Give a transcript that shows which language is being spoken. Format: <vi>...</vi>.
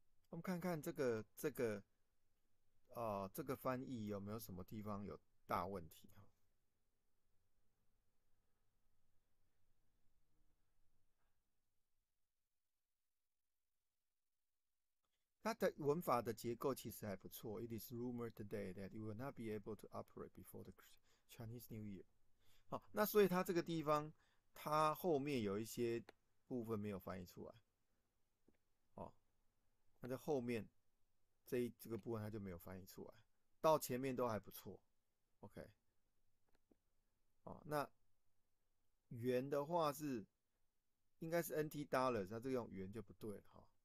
<zh>我们看看这个翻译有没有什么地方有大问题哈。它的文法的结构其实还不错。</zh> <en>It is rumored today that you will not be able to operate before the Chinese New Year。</en> <zh>好，那所以它这个地方，它后面有一些部分没有翻译出来。那在后面这个部分它就没有翻译出来，到前面都还不错。 OK。 那元的话是应该是 NT dollars，那这个用元就不对了哈。</zh>